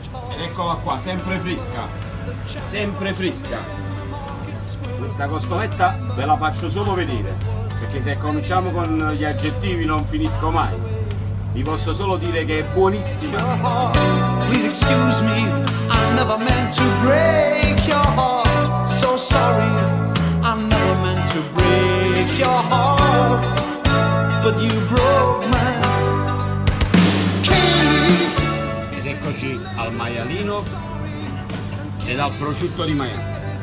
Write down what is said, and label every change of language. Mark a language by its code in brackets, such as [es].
[it] Ed eccola qua, sempre fresca, sempre fresca. Questa costoletta ve la faccio solo vedere, perché se cominciamo con gli aggettivi non finisco mai. Vi posso solo dire che è buonissima. [en] Please excuse me, I never meant to break your heart. So sorry, I never meant to break your heart. But you broke my heart. [it] Ed eccoci al maialino ed al prosciutto di maiale.